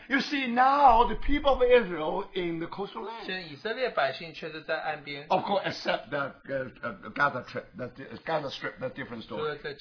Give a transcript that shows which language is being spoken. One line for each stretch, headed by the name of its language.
English: you see, now the people of Israel in the coastal land,
Chinese: 现在以色列百姓却是在岸边,
English: of course, except that Gaza trip, that Gaza Strip, that different story.